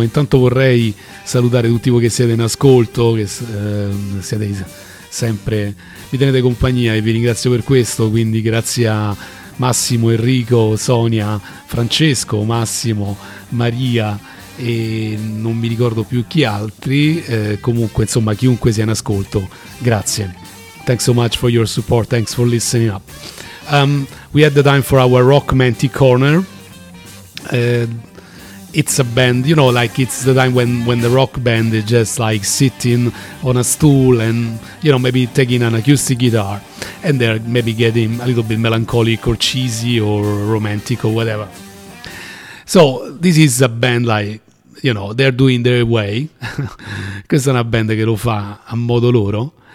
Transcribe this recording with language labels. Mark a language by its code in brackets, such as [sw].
[it] Intanto vorrei salutare tutti voi che siete in ascolto, che siete sempre, mi tenete compagnia e vi ringrazio per questo, quindi grazie a Massimo, Enrico, Sonia, Francesco, Massimo, Maria e non mi ricordo più chi altri, comunque insomma chiunque sia in ascolto, grazie. [en] Thanks so much for your support, thanks for listening up. We had the time for our Rock Menti Corner. It's a band, you know, like it's the time when the rock band is just like sitting on a stool and, you know, maybe taking an acoustic guitar and they're maybe getting a little bit melancholic or cheesy or romantic or whatever. So this is a band like, you know, they're doing their way. [it] Questa è una band che lo fa a modo loro.